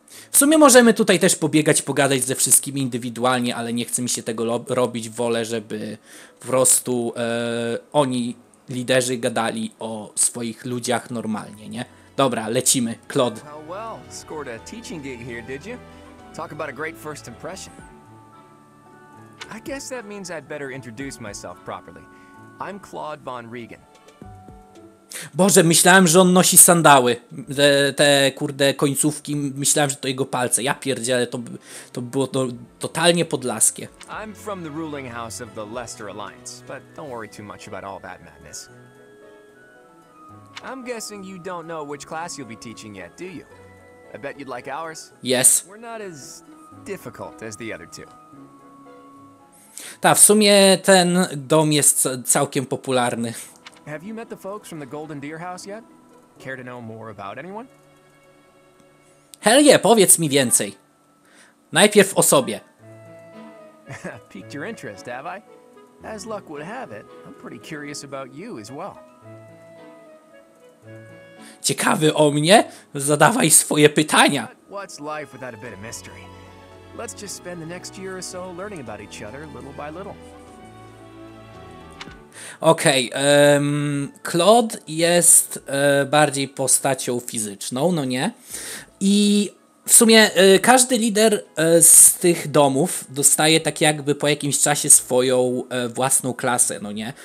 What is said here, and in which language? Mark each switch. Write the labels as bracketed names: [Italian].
[Polish] W sumie możemy tutaj też pobiegać, pogadać ze wszystkimi indywidualnie, ale nie chce mi się tego robić. Wolę, żeby po prostu oni, liderzy, gadali o swoich ludziach normalnie, nie? Dobra, lecimy. Claude. [English] How well scored a teaching gig here, did you? Talk about a great first impression. I guess that means I'd better introduce myself properly. I'm Claude von Regan. [Polish] Boże, myślałem, że on nosi sandały. Te kurde końcówki, myślałem, że to jego palce. Ja pierdzielę, to było totalnie podlaskie. [English] I'm from the ruling house of the Lester Alliance, but don't worry too much about all that madness. I'm guessing you don't know which class you'll be teaching yet, do you? I bet you'd like ours. Yes. We're not as difficult as the other two. [Polish] Ta, w sumie ten dom jest całkiem popularny. [English] Have you met the folks from the Golden Deer House yet? Care to know more about anyone? Hell yeah, [Polish] powiedz mi więcej. Najpierw o sobie. [English] Piqued your interest, have I? As luck would have it, I'm pretty curious about you as well. [Polish] Ciekawy o mnie? Zadawaj swoje pytania. [English] What's life without a bit of mystery? Let's just spend the next year or so learning about each other little by little. [Polish] Okej, Claude jest bardziej postacią fizyczną, no nie? I w sumie każdy lider z tych domów dostaje tak jakby po jakimś czasie swoją własną klasę, no nie?